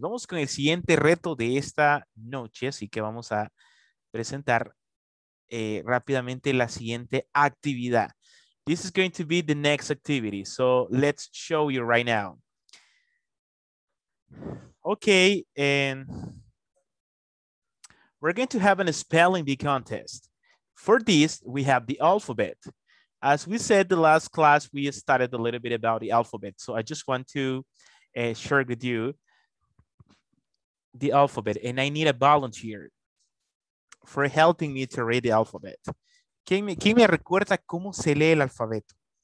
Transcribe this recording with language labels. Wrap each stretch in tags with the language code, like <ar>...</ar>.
<es>Vamos con el siguiente reto de esta noche. Así que vamos a presentar rápidamente la siguiente actividad.</es> <en>This is going to be the next activity. So let's show you right now. Okay, and we're going to have a spelling bee contest. For this, we have the alphabet. As we said the last class, we started a little bit about the alphabet. So I just want to share with you the alphabet, and I need a volunteer for helping me to read the alphabet.</en> <es>¿Quién me recuerda cómo se lee el alfabeto?</es>